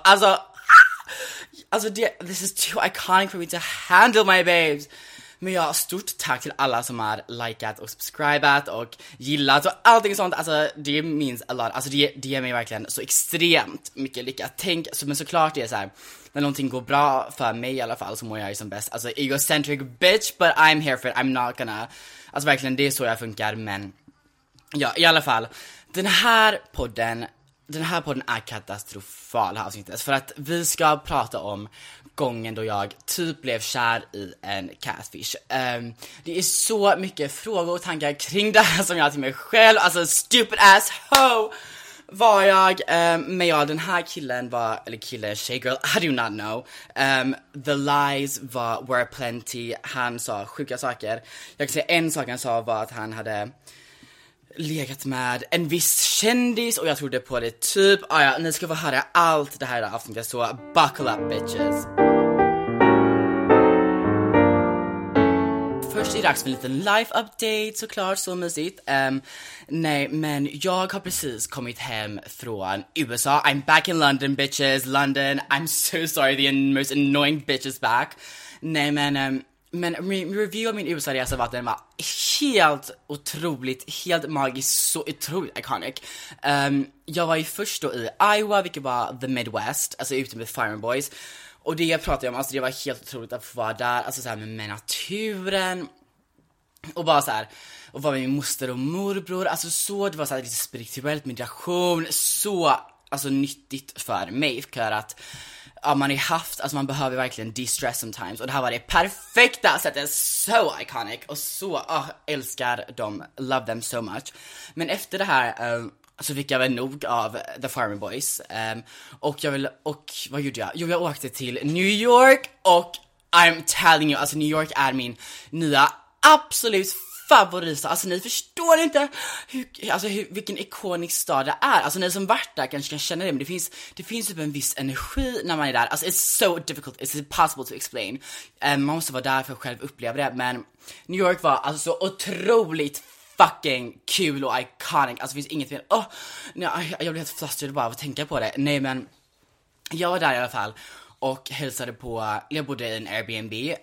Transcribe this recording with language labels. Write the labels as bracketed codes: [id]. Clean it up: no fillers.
[sv] Alltså [en] this is too iconic for me to handle, my babes. [sv] Men jag har stort tack till alla som har likat och subscribat och gillat och allting sånt. Alltså det [en] means a lot. [sv] Alltså det ger mig verkligen så extremt mycket lycka. Tänk, men såklart det är såhär, när någonting går bra för mig i alla fall så mår jag ju som bäst. Alltså [en] egocentric bitch, but I'm here for it. I'm not gonna, [sv] alltså verkligen det är så jag funkar. Men ja, i alla fall, den här podden är katastrofal här avsnittet. För att vi ska prata om gången då jag typ blev kär i en catfish. Det är så mycket frågor och tankar kring det här som jag har till mig själv. Alltså [en] stupid ass hoe [sv] var jag. Men ja, den här killen var, eller killen, tjej, [en] girl, I do not know. The lies were plenty. [sv] Han sa sjuka saker. Jag kan säga en sak han sa var att han hade legat med en viss kändis och jag trodde på det typ. Ja, ni ska få höra allt det här idag avsnittet, så [en] buckle up bitches. [sv] Först är det dags för en liten life update, såklart, så mysigt. Nej, men jag har precis kommit hem från USA. [en] I'm back in London, bitches. London, I'm so sorry, the most annoying bitches back. [sv] Nej, men min review av min USA-resa var att den var helt otroligt, helt magisk, så otroligt iconic. Jag var ju först då i Iowa, vilket var the Midwest, alltså ute med Fire and Boys. Och det jag pratade om, alltså det var helt otroligt att få vara där, alltså så här med naturen och bara så här, och vara med min moster och morbror, alltså så, det var så här lite spirituellt, meditation, så, alltså nyttigt för mig, för att ja, man har haft, alltså man behöver verkligen [en] de-stress sometimes, [sv] och det här var det perfekta sättet, så iconic, och så, oh, älskar dem, [en] love them so much. [sv] Men efter det här, så fick jag väl nog av The Farmer Boys. Och jag vill, och vad gjorde jag? Jo, jag åkte till New York. Och [en] I'm telling you, [sv] alltså New York är min nya absolut favorit. Alltså ni förstår inte vilken ikonisk stad det är. Alltså ni som varit där kanske kan känna det. Men det finns typ en viss energi när man är där. Alltså [en] it's so difficult, it's impossible to explain. [sv] Man måste vara där för att själv uppleva det. Men New York var alltså så otroligt fucking kul och iconic. Alltså finns inget mer. Oh, nej, jag blev helt flustrad bara av att tänka på det. Nej, men jag var där i alla fall och hälsade på, jag bodde i en Airbnb.